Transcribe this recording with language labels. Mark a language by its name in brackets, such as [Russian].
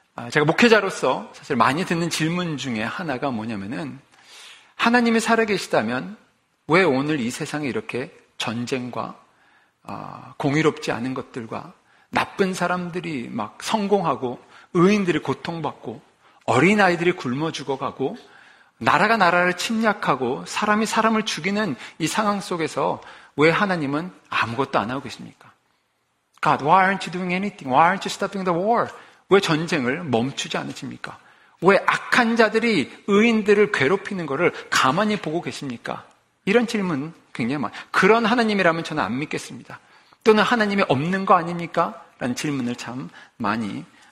[Korean] 제가 목회자로서 사실 많이 듣는 질문 중에 하나가 뭐냐면은 하나님이 살아계시다면 왜 오늘 이 세상에 이렇게 전쟁과 공의롭지 않은 것들과 나쁜 사람들이 막 성공하고 의인들이 고통받고 어린아이들이 굶어 죽어가고 나라가 나라를 침략하고 사람이 사람을 죽이는 이 상황 속에서 왜 하나님은 아무것도 안 하고 계십니까? [English] God, why aren't you doing anything? Why aren't you stopping the war? [Korean] 왜 전쟁을 멈추지 않으십니까? 왜 악한 자들이 의인들을 괴롭히는 것을 가만히 보고 계십니까? 이런 질문 굉장히 많아요. 그런 하나님이라면 저는 안 믿겠습니다. 또는 하나님이 없는 거 아닙니까? 라는 질문을 참 많이